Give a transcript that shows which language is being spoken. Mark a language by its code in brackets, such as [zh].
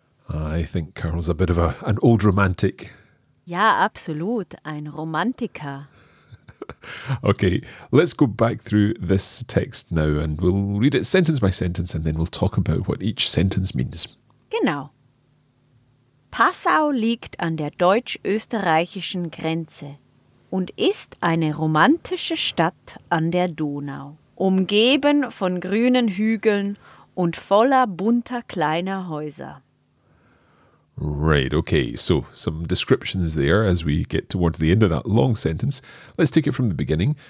[en] I think Carol's a bit of an old romantic. [de] Ja, absolut. Ein Romantiker. [en] Okay, let's go back through this text now and we'll read it sentence by sentence and then we'll talk about what each sentence means. [de] Genau. Passau liegt an der deutsch-österreichischen Grenze und ist eine romantische Stadt an der Donau, umgeben von grünen Hügeln und voller bunter kleiner Häuser. [en] Right, okay, so some descriptions there as we get towards the end of that long sentence. Let's take it from the beginning.